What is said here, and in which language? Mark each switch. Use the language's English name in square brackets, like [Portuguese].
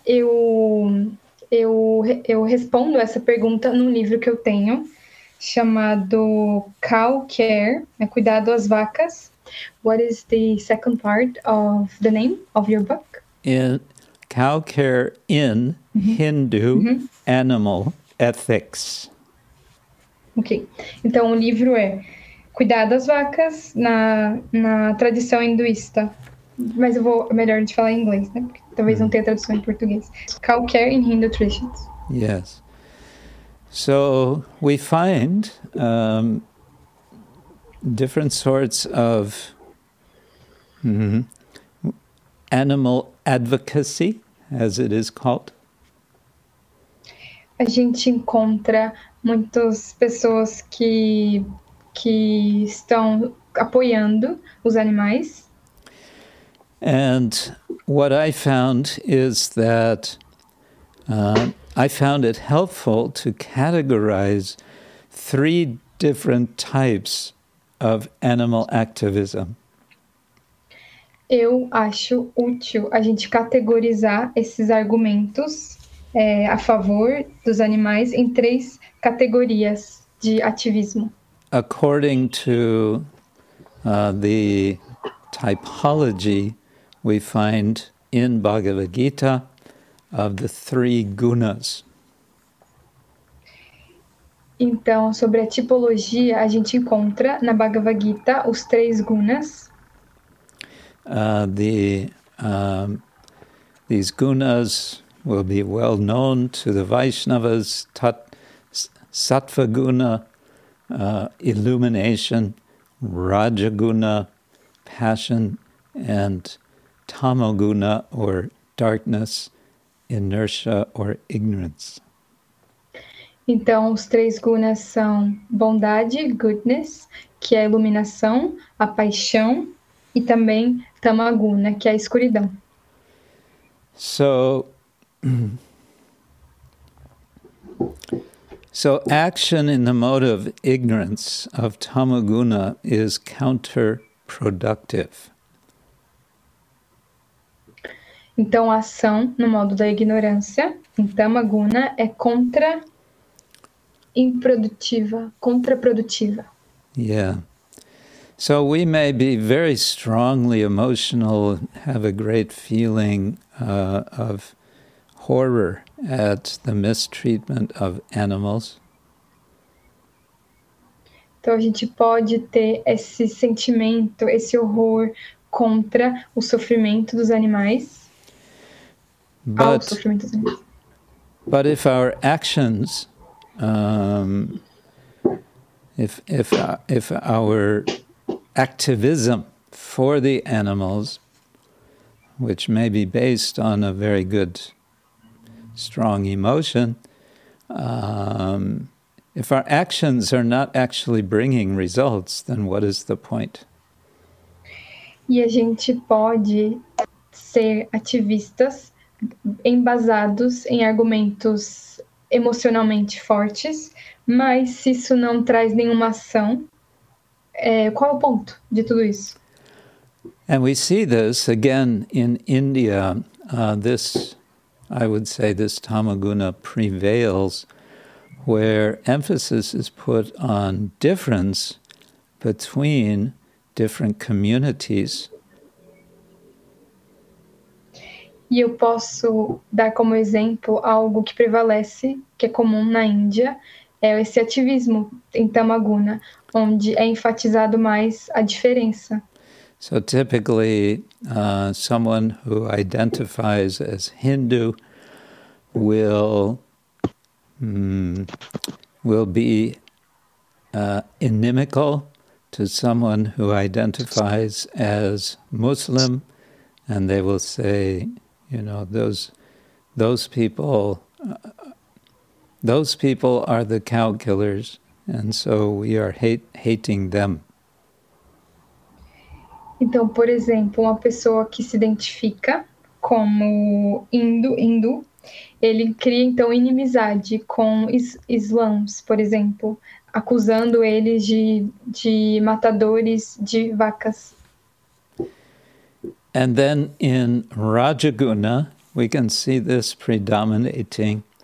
[Portuguese] Eu respondo essa pergunta num livro que eu tenho, chamado Cow Care, Cuidado às Vacas. [English] What is the second part of the name of your book? In Cow Care in Hindu Animal Ethics. [Portuguese] Ok, então o livro é Cuidar das Vacas na tradição hinduísta. Mas eu vou melhor de falar em inglês, né? Porque talvez não tenha tradução em português. [English] Cow Care in Hindu Traditions. Yes. So we find different sorts of animal advocacy, as it is called. [Portuguese] A gente encontra muitas pessoas que estão apoiando os animais. [English] And what I found is that I found it helpful to categorize three different types of animal activism. [Portuguese] Eu acho útil a gente categorizar esses argumentos a favor dos animais em três categorias de ativismo. [English] According to the typology we find in Bhagavad Gita of the three gunas. [Portuguese] Então, sobre a tipologia, a gente encontra na Bhagavad Gita os três gunas. [English] The these gunas will be well known to the Vaishnavas, sattva guna, illumination, rajaguna, passion, and tamoguna, or darkness, inertia, or ignorance. [Portuguese] Então, os três gunas são bondade, goodness, que é a iluminação, a paixão, e também tamaguna, que é a escuridão. [English] So action in the mode of ignorance of tamaguna is counterproductive. [Portuguese] Então, ação no modo da ignorância em tamaguna é contraprodutiva. [English] Yeah. So we may be very strongly emotional, have a great feeling of horror at the mistreatment of animals. [Portuguese] Então a gente pode ter esse sentimento, esse horror contra o sofrimento dos animais. [English] But if our actions if our activism for the animals, which may be based on a very good, strong emotion, if our actions are not actually bringing results, then what is the point? [Portuguese] E a gente pode ser ativistas embasados em argumentos emocionalmente fortes, mas se isso não traz nenhuma ação, qual é o ponto de tudo isso? [English] And we see this again in India. This, I would say, this tamaguna prevails, where emphasis is put on difference between different communities. [Portuguese] E eu posso dar como exemplo algo que prevalece, que é comum na Índia, é esse ativismo em tamaguna, onde é enfatizado mais a diferença. [English] So typically, someone who identifies as Hindu will be inimical to someone who identifies as Muslim, and they will say, you know, those people are the cow killers, and so we are hating them. [Portuguese] Então, por exemplo, uma pessoa que se identifica como hindu, ele cria então inimizade com islãs, por exemplo, acusando eles de matadores de vacas. [English] And then in Rajaguna, we can see this predominating.